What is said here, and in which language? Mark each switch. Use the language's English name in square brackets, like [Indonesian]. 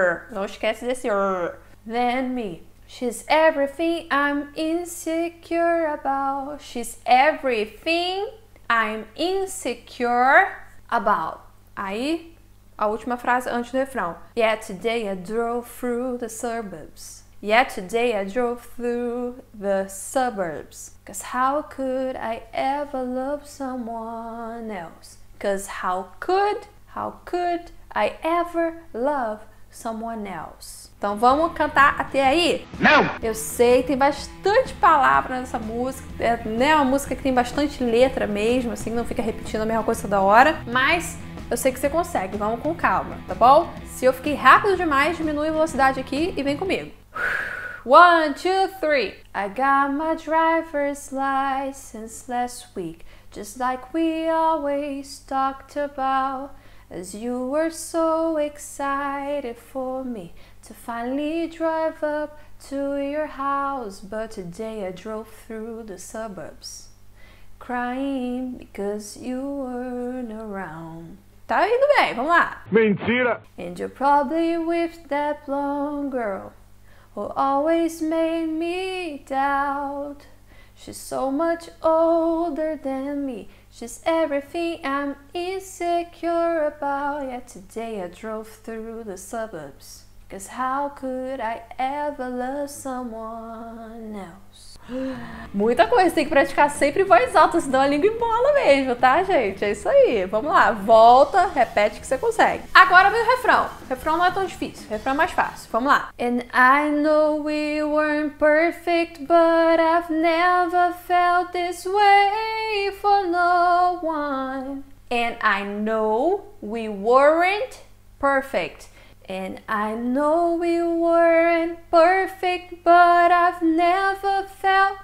[Portuguese] Não esquece desse [English] than me. She's everything I'm insecure about. She's everything I'm insecure about. [Portuguese] Aí, a última frase antes do refrão. [English] Yeah, today I drove through the suburbs. Yeah, today I drove through the suburbs. 'Cause how could I ever love someone else? 'Cause how could I ever love someone else? [Portuguese] Então vamos cantar até aí? Não! Eu sei, tem bastante palavra nessa música. É, né, uma música que tem bastante letra mesmo, assim, não fica repetindo a mesma coisa toda hora. Mas eu sei que você consegue, vamos com calma, tá bom? Se eu fiquei rápido demais, diminui a velocidade aqui e vem comigo. 1, 2, 3. [English] I got my driver's license last week. Just like we always talked about. As you were so excited for me. To finally drive up to your house. But today I drove through the suburbs. Crying because you weren't around. [Portuguese] Tá indo bem, vamos lá. Mentira. [English] And you're probably with that blonde girl. Who always made me doubt. She's so much older than me. She's everything I'm insecure about. Yet today I drove through the suburbs. 'Cause how could I ever love someone else? [Portuguese] Muita coisa, tem que praticar sempre voz alta, senão a língua embola mesmo, tá, gente? É isso aí, vamos lá, volta, repete que você consegue. Agora vem o refrão. Refrão não é tão difícil, refrão é mais fácil, vamos lá. [English] And I know we weren't perfect, but I've never felt this way for no one. And I know we weren't perfect. And I know we weren't perfect, but I've never felt...